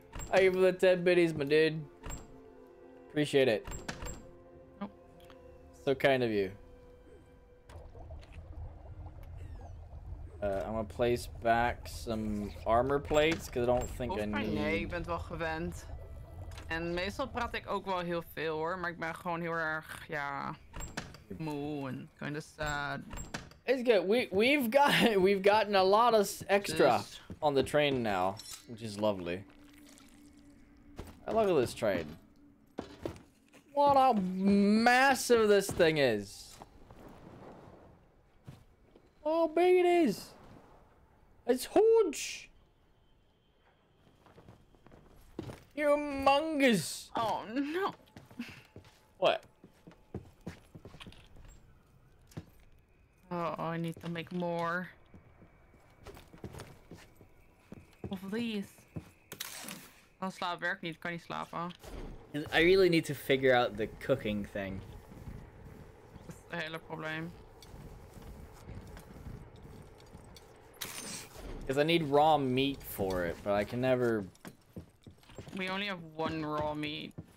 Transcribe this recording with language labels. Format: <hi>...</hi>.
<en>Thank you for the 10 biddies, my dude. Appreciate it. So kind of you. I'm gonna place back some armor plates because I don't think I need.</en> <nl>Nee, je bent wel gewend. En meestal praat ik ook wel heel veel hoor, maar ik ben gewoon heel erg, ja, moe</nl> <en>and kind of sad. It's good. We've gotten a lot of extra on the train now, which is lovely. I love this train. What a massive this thing is. How big it is. It's huge. Humongous. Oh no. What? Oh, I need to make more of these.</en> <nl>Als slaap werkt niet, kan niet slapen.</nl> <en>I really need to figure out the cooking thing. That's the hele problem. Because I need raw meat for it, but I can never. We only have one raw meat.</en>